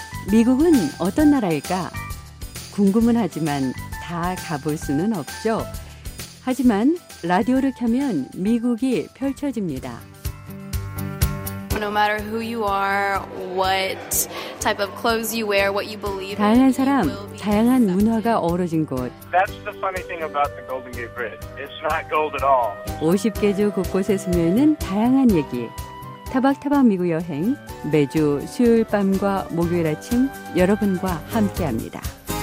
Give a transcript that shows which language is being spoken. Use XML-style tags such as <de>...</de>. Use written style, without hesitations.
<ko>미국은 어떤 나라일까? 궁금은 하지만 다 가볼 수는 없죠. 하지만 라디오를 켜면 미국이 펼쳐집니다.</ko> <en>No matter who you are, what type of clothes you wear, what you believe.</en> <ko>다양한 사람, 다양한 문화가 어우러진 곳.</ko> <en>That's the funny thing about the Golden Gate Bridge. It's not gold at all.</en> <ko>50개 주 곳곳에 숨어있는 다양한 얘기. 타박타박 미국 여행 매주 수요일 밤과 목요일 아침 여러분과 함께합니다.</ko>